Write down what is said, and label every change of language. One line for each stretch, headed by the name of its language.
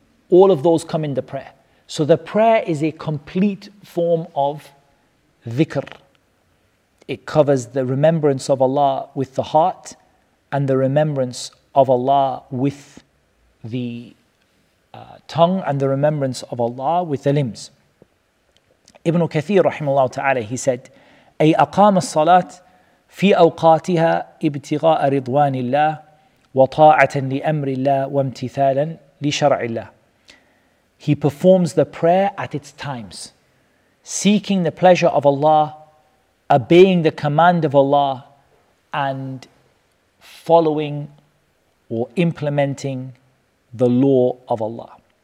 English: All of those come in the prayer. So the prayer is a complete form of dhikr. It covers the remembrance of Allah with the heart and the remembrance of Allah with the tongue and the remembrance of Allah with the limbs. Ibn Kathir, rahimahullah ta'ala, he said,
Arabic: أي أقام الصلاة في أوقاتها ابتغاء رضوان الله وطاعة لأمر الله وامتثالا لشرع الله.
English: He performs the prayer at its times, seeking the pleasure of Allah, obeying the command of Allah, and following or implementing the law of Allah.